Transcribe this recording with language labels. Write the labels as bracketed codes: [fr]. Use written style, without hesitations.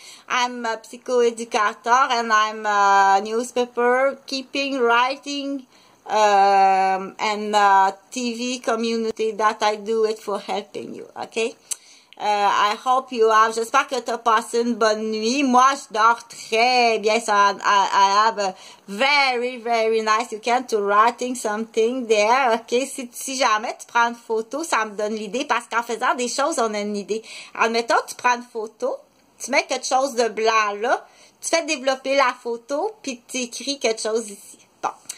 [en] I'm a psychoeducator and I'm a newspaper keeping, writing, and a TV community that I do it for helping you, okay? I hope you have, [fr] j'espère que t'as passé une bonne nuit. Moi, je dors très bien. [en] So I have a very, very nice weekend to writing something there. Okay. [fr] Si jamais tu prends une photo, ça me donne l'idée parce qu'en faisant des choses, on a une idée. Admettons, tu prends une photo. Tu mets quelque chose de blanc là, tu fais développer la photo, puis tu écris quelque chose ici. Bon.